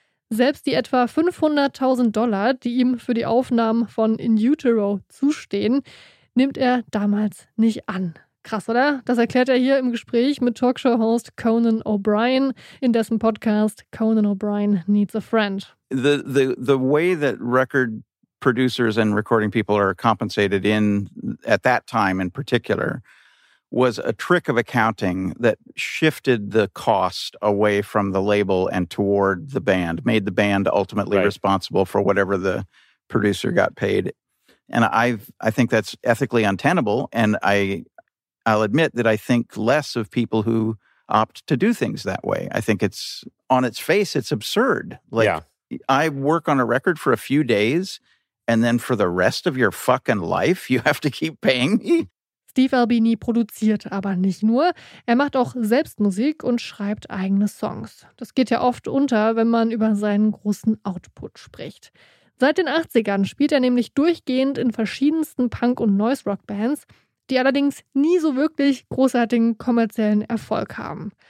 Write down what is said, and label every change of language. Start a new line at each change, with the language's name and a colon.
German: Selbst die etwa $500,000, die ihm für die Aufnahmen von In Utero zustehen, nimmt er damals nicht an. Krass, oder? Das erklärt er hier im Gespräch mit Talkshow-Host Conan O'Brien in dessen Podcast Conan O'Brien Needs a Friend.
English: The way that record producers and recording people are compensated in at that time in particular was a trick of accounting that shifted the cost away from the label and toward the band, made the band ultimately responsible for whatever the producer got paid. And I think that's ethically untenable. And I'll admit that I think less of people who opt to do things that way. I think it's, on its face, it's absurd. Like, yeah. I work on a record for a few days, and then for the rest of your fucking life, you have to keep paying me?
German: Steve Albini produziert aber nicht nur, er macht auch selbst Musik und schreibt eigene Songs. Das geht ja oft unter, wenn man über seinen großen Output spricht. Seit den 80ern spielt er nämlich durchgehend in verschiedensten Punk- und Noise-Rock-Bands, die allerdings nie so wirklich großartigen kommerziellen Erfolg haben.